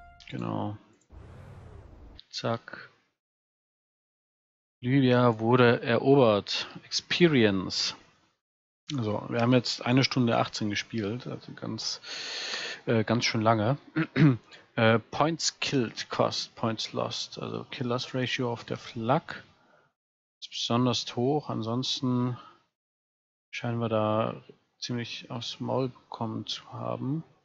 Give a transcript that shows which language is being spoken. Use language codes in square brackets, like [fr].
[de] Genau. Zack. Libya wurde erobert. [en] Experience. [de] So, wir haben jetzt eine Stunde 18 gespielt, also ganz, ganz schön lange. [en] Points killed cost, points lost. [de] Also Kill-Loss Ratio auf der Flak ist besonders hoch. Ansonsten scheinen wir da ziemlich aufs Maul bekommen zu haben.